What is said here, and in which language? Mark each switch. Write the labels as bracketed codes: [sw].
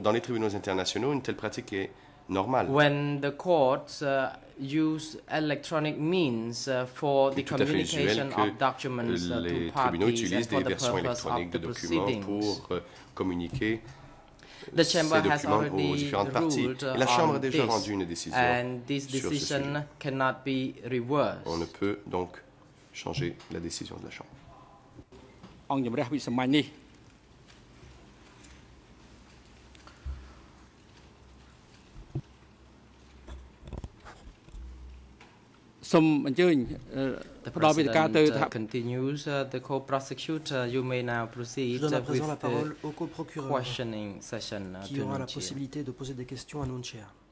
[fr] Dans les tribunaux internationaux, une telle pratique est normale. [en] When the courts use electronic means for the communication of documents to parties and for the purpose of the proceedings. [fr] Pour, communiquer [en] the chamber has already ruled [fr] la chambre a déjà rendu une décision [en] and this decision cannot be reversed. [fr] On ne peut donc changer la décision de la chambre. [en] The President continues. The co-prosecutor, you may now proceed with the questioning session. [fr] Qui aura la possibilité de poser des questions à Nunchia.